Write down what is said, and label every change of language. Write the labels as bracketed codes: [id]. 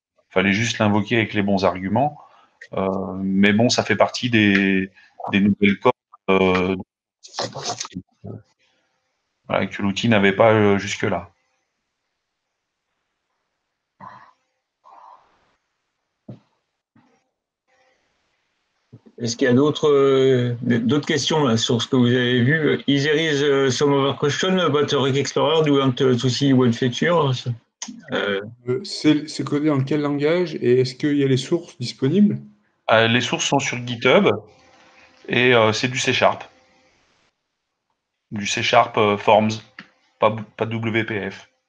[fr] Il fallait juste l'invoquer avec les bons arguments. Ça fait partie des nouvelles corps voilà, que l'outil n'avait pas jusque-là. Est-ce qu'il y a d'autres questions là, sur ce que vous avez vu? [en] Is there is some other question about Rig Explorer? Do you want to see one feature? [fr] C'est codé en quel langage et est-ce qu'il y a les sources disponibles? Les sources sont sur GitHub et c'est du C#. Du C# Forms, pas WPF.